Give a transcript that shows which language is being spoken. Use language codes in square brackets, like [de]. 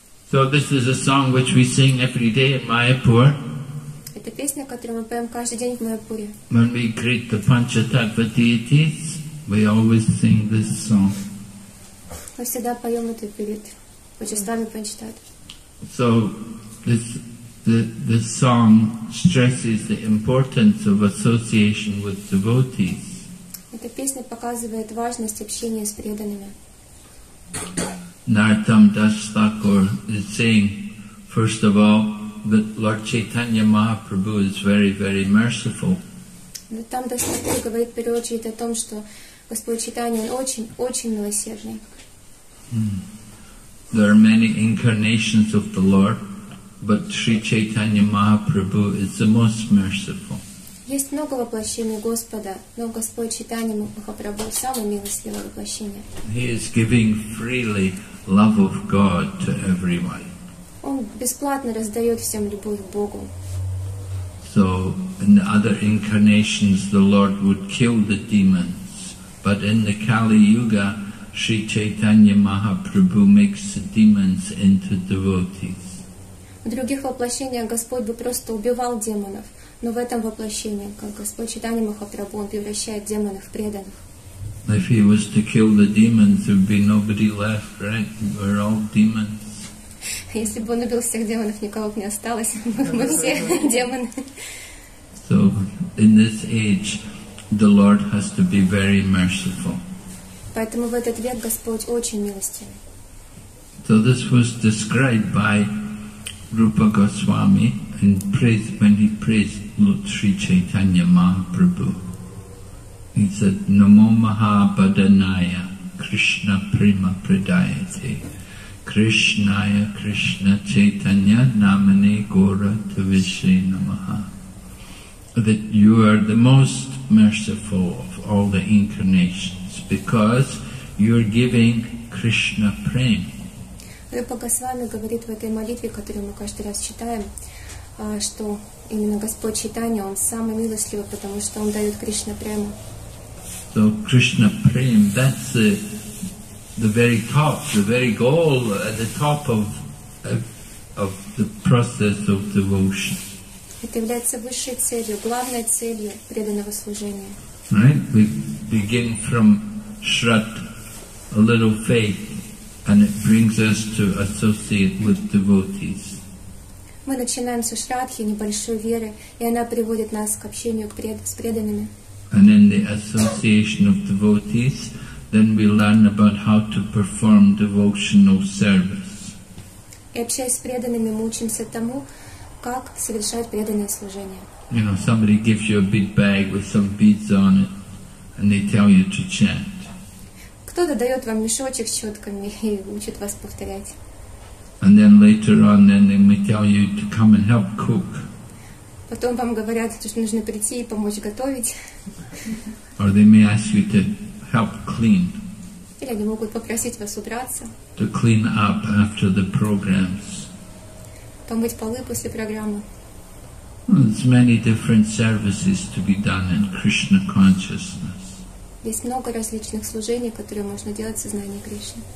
[en] So this is a song which we sing every day at Mayapur. [ru] Это песня, которую мы поем каждый день в Майяпуре. [en] When we greet the Panchatattva deities, we always sing this song. [ru] Мы всегда поем это перед божествами Панчататтвы. [en] So this song stresses the importance of association with devotees. [ru] Эта песня показывает важность общения с преданными. [en] Nartam Das Thakur is saying, first of all, that Lord Chaitanya Mahaprabhu is very, very merciful. [ru] Nartam Das Thakur говорит в первую очередь о том, что Господь Чайтанья очень, очень милосердный. [en] There are many incarnations of the Lord, but Sri Chaitanya Mahaprabhu is the most merciful. [ru] Есть много воплощений Господа, но Господь Чайтанья Махапрабху самое милостивое воплощение. [en] He is giving freely love of God to everyone. [ru] Он бесплатно раздает всем любовь к Богу. [en] So in the other incarnations the Lord would kill the demons, but in the Kali Yuga Sri Chaitanya Mahaprabhu makes the demons into devotees. [ru] В других воплощениях Господь бы просто убивал демонов. Но в этом воплощении, как Господь Чайтанья Махапрабху, Он превращает демонов в преданных. [en] If he was to kill the demons, there'd be nobody left, right? We're all demons. [ru] Если бы он убил всех демонов, никого бы не осталось. Мы все демоны. [en] So in this age, the Lord has to be very merciful. [ru] Поэтому в этот век Господь очень милостив. [en] So this was described by Rupa Goswami in praise when he praised Lord Sri Chaitanya Mahaprabhu. He said, [sa] Namo Mahabhadanaya Krishna Prima Pradayate Krishnaya Krishna Chaitanya Namane Gora Tavishri Namaha. [en] That you are the most merciful of all the incarnations because you are giving Krishna Prema. [ru] Рупа Госвами говорит в этой молитве, которую мы каждый раз читаем, что именно Господь Чайтанья, Он самый милостливый, потому что Он дает Кришна Прему. [en] So Krishna Prem, that's the very top, the very goal at the top of the process of devotion. [ru] Это является высшей целью, главной целью преданного служения. [en] Right? We begin from Shrat, a little faith. And it brings us to associate with devotees. [ru] Мы начинаем со шрадхи, небольшой веры, и она приводит нас к общению с преданными. [en] And in the association of devotees, then we learn about how to perform devotional service. [ru] И общаясь с преданными, мы учимся тому, как совершать преданное служение. [en] You know, somebody gives you a big bag with some beads on it, and they tell you to chant. [ru] Кто-то дает вам мешочек с четками и учит вас повторять. [en] And then later on, then they may tell you to come and help cook. [ru] Потом вам говорят, что нужно прийти и помочь готовить. [en] Or they may ask you to help clean. [ru] Или они могут попросить вас убраться. [en] To clean up after the programs. [ru] Помыть полы после программы. [en] There's many different services to be done in Krishna consciousness. [ru] Есть много различных служений, которые можно делать в сознании Кришны.